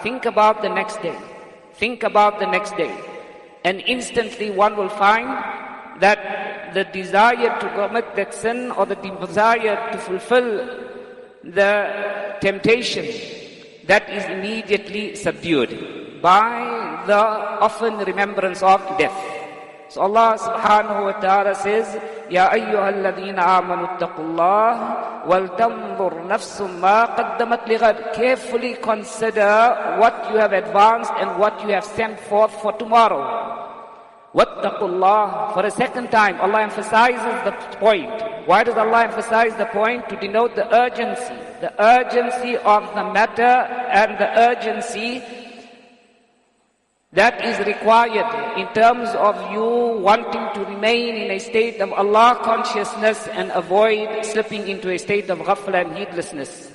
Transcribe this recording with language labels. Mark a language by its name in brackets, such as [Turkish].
[English] Think about the next day. Think about the next day. And instantly one will find that the desire to commit that sin or the desire to fulfill the temptation, that is immediately subdued by the often remembrance of death. So Allah subhanahu wa ta'ala says, [Arabic] يَا أَيُّهَا الَّذِينَ آمَنُوا اتَّقُوا اللَّهِ وَالْتَنْظُرْ نَفْسٌ مَا قَدَّمَتْ لِغَدٍ. [English] Carefully consider what you have advanced and what you have sent forth for tomorrow. Wattaqullah. For a second time, Allah emphasizes the point. Why does Allah emphasize the point? To denote the urgency. The urgency of the matter and the urgency that is required in terms of you wanting to remain in a state of Allah consciousness and avoid slipping into a state of ghafla and heedlessness.